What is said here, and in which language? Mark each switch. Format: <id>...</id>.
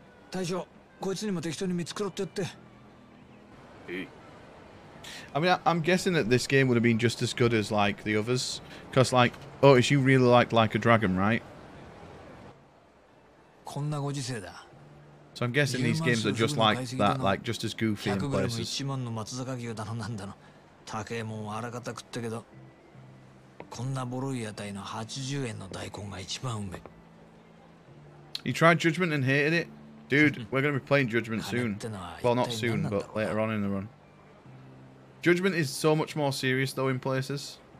<ja>タイショウこいつにも適当に見繕ってやってい</ja> <en>I'm guessing that this game would have been just as good as like the others, because like, oh, is you really like a dragon, right?</en> <ja>こんなご時世だ。</ja> <en>So I'm guessing these games are just like that, like just as goofy in places.</en> <ja>100g1 万の松坂牛だのなんだの、高いもんはあらかた食ったけど、こんなボロい屋台の80円の大根が一番うめ。</ja> <en>You tried Judgment and hated it? Dude, we're going to be playing Judgment soon. Well, not soon, but later on in the run. Judgment is so much more serious, though, in places.</en>